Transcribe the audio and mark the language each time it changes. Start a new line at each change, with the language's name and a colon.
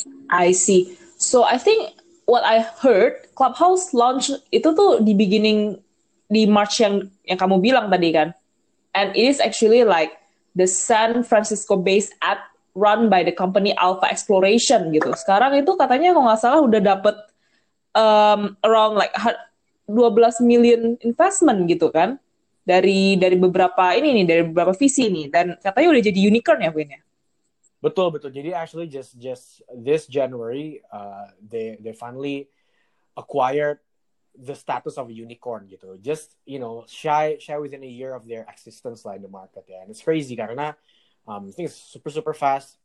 English: I see. So I think what I heard, Clubhouse launch
Indonesian: itu tuh di
English: beginning di March
Indonesian: yang kamu bilang tadi kan.
English: And it is actually like the San Francisco based app run by the company Alpha Exploration gitu.
Indonesian: Sekarang itu katanya kalau nggak salah udah dapet
English: around like 12 million investment
Indonesian: gitu kan dari beberapa ini nih dari beberapa VC nih dan katanya udah jadi unicorn ya Winnya. Betul betul.
English: Jadi actually just this January they finally acquired the status of a unicorn gitu. Just you know shy within a year of their existence lah in the market ya. And it's crazy karena I think it's super super fast.